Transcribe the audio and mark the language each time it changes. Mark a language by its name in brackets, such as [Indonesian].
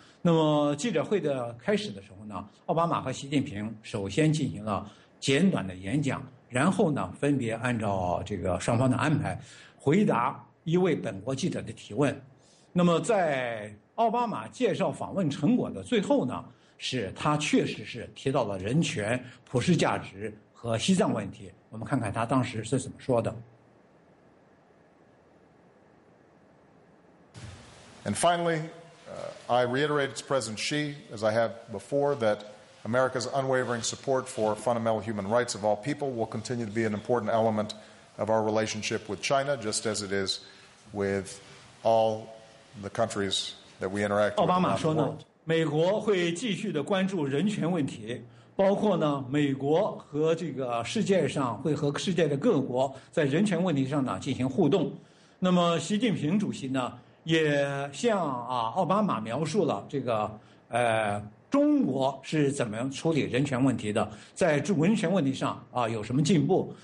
[Chinese] 那么记者会的开始的时候呢，奥巴马和习近平首先进行了简短的演讲，然后呢分别按照这个双方的安排回答一位本国记者的提问。那么在奥巴马介绍访问成果的最后呢，是他确实是提到了人权、普世价值和西藏问题。我们看看他当时是怎么说的。 [English] And finally,I reiterated to President Xi, as I have before, that America's unwavering support for fundamental human rights of all people will continue to be an important element of our relationship with China, just as it is with all the countries that we interact with. [Chinese] 奥巴马说呢，美国会继续的关注人权问题，包括呢，美国和这个世界上会和世界的各国在人权问题上呢进行互动。那么，习近平主席呢？也向奥巴马描述了这个中国是怎么处理人权问题的，在人权问题上有什么进步。